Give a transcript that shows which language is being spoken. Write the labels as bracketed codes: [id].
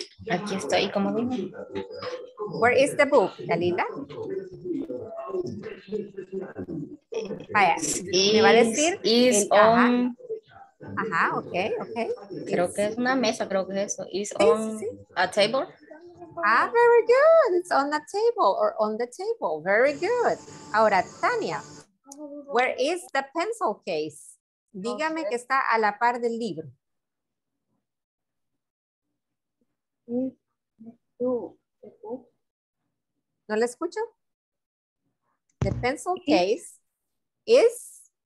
[es] Aquí estoy, como dime. [en] Where is the book, Dalila? [es] Vaya, me va a decir. [en] Is on... [es] Ajá, ok, ok. Creo que es una mesa, creo que es eso. [en] Is on a table. Ah, very good. It's on the table or on the table. Very good. Ahora, Tania, where is the pencil case? [es] Dígame que está a la par del libro. ¿No la escucho? [en] The pencil case is